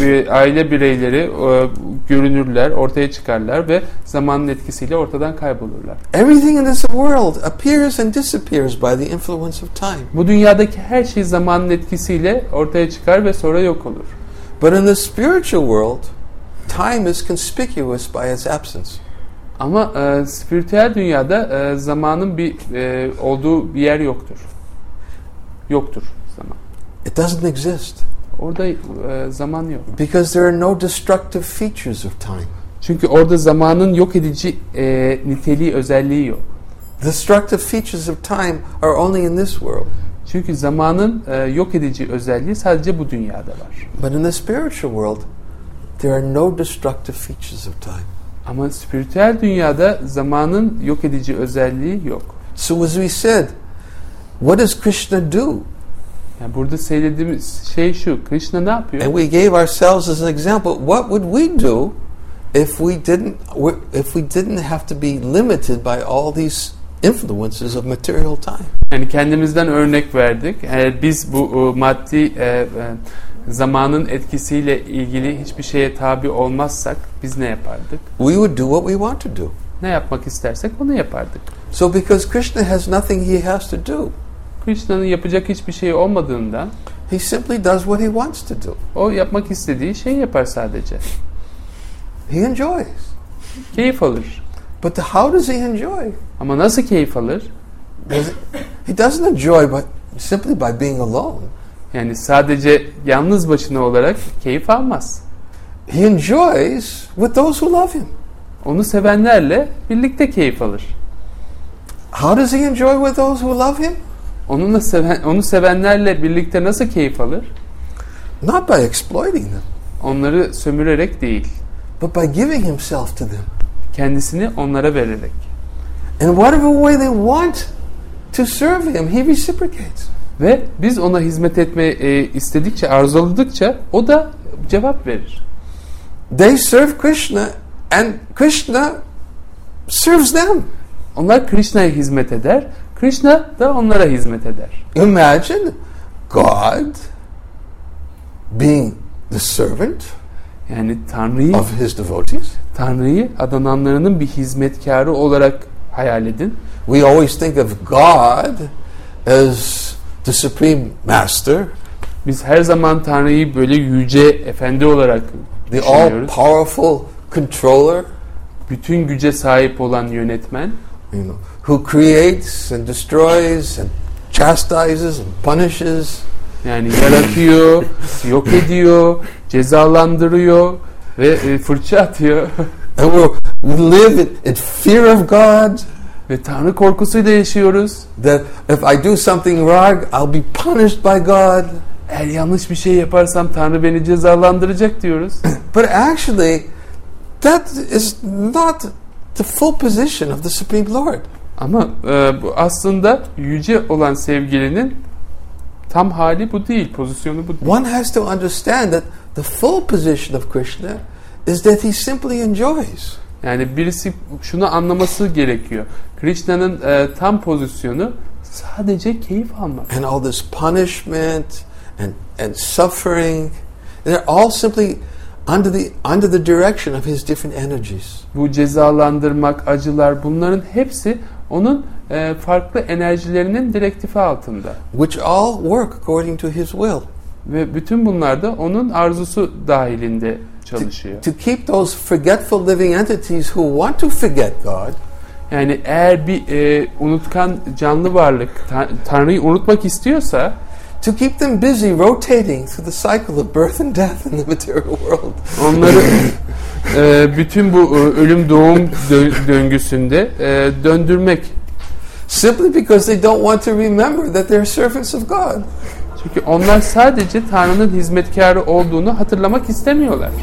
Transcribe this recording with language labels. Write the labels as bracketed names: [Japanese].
[Turkish] Aile bireyleri görünürler, ortaya çıkarlar ve zamanın etkisiyle ortadan kaybolurlar. [English] Everything in this world appears and disappears by the influence of time. [Turkish] Bu dünyadaki her şey zamanın etkisiyle ortaya çıkar ve sonra yok olur. [English] But in the spiritual world, time is conspicuous by its absence. [Turkish] Ama spiritüel dünyada zamanın bir olduğu bir yer yoktur. Yoktur zaman. [English] It doesn't exist. [Turkish] Orada zaman yok. [English] Because there are no destructive features of time. [Turkish] Çünkü orada zamanın yok edici niteliği, özelliği yok. [English] Destructive features of time are only in this world. [Turkish] Çünkü zamanın yok edici özelliği sadece bu dünyada var. [English] But in the spiritual world, there are no destructive features of time. [Turkish] Ama spiritüel dünyada zamanın yok edici özelliği yok. [English] So as we said, what does Krishna do? [Turkish] Yani burada söylediğimiz şey şu, Krishna ne yapıyor? [English] And we gave ourselves as an example, what would we do if we didn't have to be limited by all these influences of material time? [Turkish] Yani kendimizden örnek verdik. Biz bu maddi zamanın etkisiyle ilgili hiçbir şeye tabi olmazsak biz ne yapardık? [English] We would do what we want to do. [Turkish] Ne yapmak istersek onu yapardık. [English] So because Krishna has nothing he has to do. [Turkish] Krishna'nın yapacak hiçbir şeyi olmadığından [English] he simply does what he wants to do. [Turkish] O yapmak istediği şeyi yapar sadece. [English] He enjoys. [Turkish] Keyif alır. [English] But how does he enjoy? [Turkish] Ama nasıl keyif alır? [English] He doesn't enjoy but simply by being alone. [Turkish] Yani sadece yalnız başına olarak keyif almaz. [English] He enjoys with those who love him. [Turkish] Onu sevenlerle birlikte keyif alır. [English] How does he enjoy with those who love him? [Turkish] Onu sevenlerle birlikte nasıl keyif alır? [English] Not by exploiting them. [Turkish] Onları sömürerek değil. [English] But by giving himself to them. [Turkish] Kendisini onlara vererek. [English] In whatever way they want to serve him, he reciprocates. [Turkish] Ve biz ona hizmet etmeyi istedikçe, arzuladıkça o da cevap verir. [English] They serve Krishna and Krishna serves them. [Turkish] Onlar Krishna'ya hizmet eder, Krishna da onlara hizmet eder. [English] Imagine God being the servant, [Turkish] yani Tanrı'yı, [English] of his devotees, [Turkish] Tanrı'yı adananlarının bir hizmetkarı olarak hayal edin. [English] We always think of God as the supreme master. [Turkish] Biz her zaman Tanrı'yı böyle yüce efendi olarak [English] the all powerful controller, [Turkish] bütün güce sahip olan yönetmen, [English] you know, who creates and destroys and chastises and punishes, [Turkish] yani yaratıyor, yok ediyor, cezalandırıyor ve fırça atıyor. [English] And we live in fear of God. [Turkish] Ve Tanrı korkusuyla yaşıyoruz. [English] That if I do something wrong, I'll be punished by God. [Turkish] Eğer yanlış bir şey yaparsam Tanrı beni cezalandıracak diyoruz. [English] But actually, that is not the full position of the Supreme Lord. [Turkish] Ama bu aslında yüce olan sevgilinin tam hali bu değil, pozisyonu bu değil. [English] One has to understand that the full position of Krishna is that he simply enjoys. [Turkish] Yani birisi şunu anlaması gerekiyor. Krishna'nın tam pozisyonu sadece keyif almak. [English] And all this punishment and suffering, they're all simply under the direction of his different energies. [Turkish] Bu cezalandırmak, acılar, bunların hepsi onun farklı enerjilerinin direktifi altında. [English] Which all work according to his will. [Turkish] Ve bütün bunlar da onun arzusu dahilinde çalışıyor. [English] To keep those forgetful living entities who want to forget God. [Turkish] Yani eğer bir unutkan canlı varlık Tanrı'yı unutmak istiyorsa, [English] to keep them busy rotating through the cycle of birth and death in the material world. [Turkish] Onları bütün bu ölüm doğum döngüsünde döndürmek. [English] Simply because they don't want to remember that they're servants of God. [Turkish] Çünkü onlar sadece Tanrı'nın hizmetkarı olduğunu hatırlamak istemiyorlar.